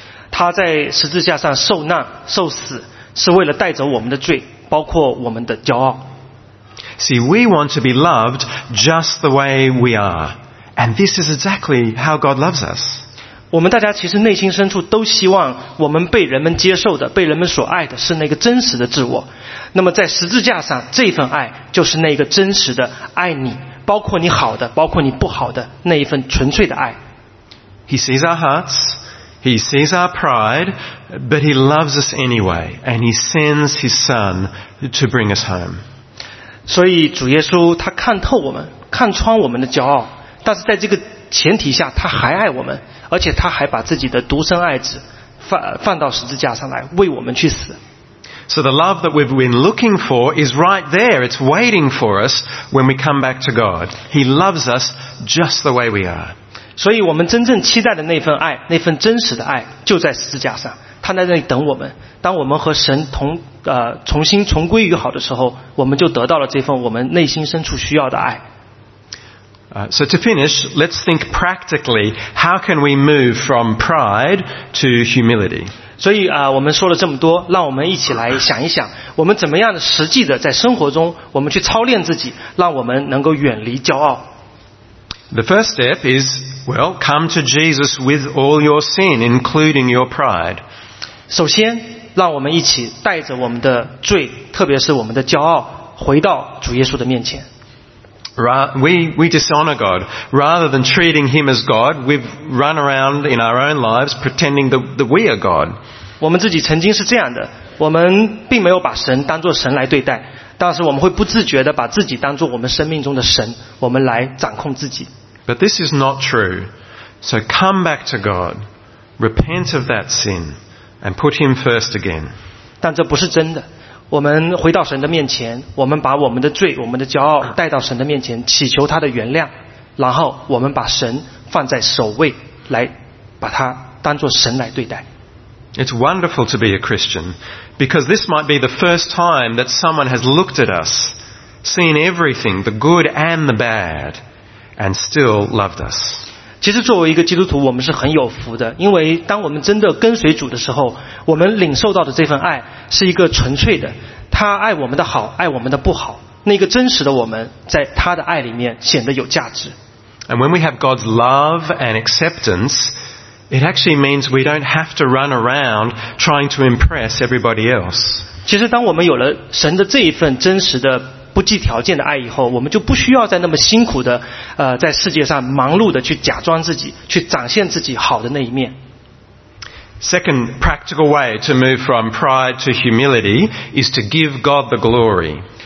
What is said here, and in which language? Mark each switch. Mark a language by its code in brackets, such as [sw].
[zh] 他在十字架上受难、受死，是为了带走我们的罪，包括我们的骄傲。 [en] See, we want to be loved just the way we are. And this is exactly how God loves us. [zh] 我们大家其实内心深处都希望我们被人们接受的、被人们所爱的是那个真实的自我。那么在十字架上，这份爱就是那个真实的爱你，包括你好的、包括你不好的那一份纯粹的爱。 [en] He sees our hearts, he sees our pride, but he loves us anyway, and he sends his son to bring us home. [zh] 所以主耶稣他看透我们，看穿我们的骄傲，但是在这个前提下他还爱我们，而且他还把自己的独生爱子 放到十字架上来为我们去死。 [en] So the love that we've been looking for is right there. It's waiting for us when we come back to God. He loves us just the way we are. [zh] 所以我们真正期待的那份爱，那份真实的爱就在十字架上，他在那里等我们。当我们和神重新重归于好的时候，我们就得到了这份我们内心深处需要的爱。 [en] So to finish, let's think practically, how can we move from pride to humility? [zh] 所以我们说了这么多，让我们一起来想一想，我们怎么样实际的在生活中，我们去操练自己，让我们能够远离骄傲。 [en] The first step is, well, come to Jesus with all your sin, including your pride. [zh] 首先让我们一起带着我们的罪，特别是我们的骄傲，回到主耶稣的面前。 [en] We dishonor God. Rather than treating him as God, we've run around in our own lives pretending that we are God. [zh] 我们自己曾经是这样的，我们并没有把神当作神来对待，但是我们会不自觉地把自己当作我们生命中的神，我们来掌控自己。 [en] But this is not true. So come back to God. Repent of that sin. And put him first again. [zh] 但这不是真的。我们回到神的面前，我们把我们的罪、我们的骄傲带到神的面前，祈求他的原谅，然后我们把神放在首位，来把他当作神来对待。 [en] It's wonderful to be a Christian, because this might be the first time that someone has looked at us, seen everything, the good and the bad, and still loved us. [zh] 其实作为一个基督徒，我们是很有福的，因为当我们真的跟随主的时候，我们领受到的这份爱是一个纯粹的，他爱我们的好，爱我们的不好，那个真实的我们在他的爱里面显得有价值。 [en] And when we have God's love and acceptance, it actually means we don't have to run around trying to impress everybody else. [zh] 其实当我们有了神的这一份真实的不计条件的爱以后，我们就不需要再那么辛苦的在世界上忙碌的去假装自己，去展现自己好的那一面。 [en] Second practical way to move from pride to humility is to give God the glory.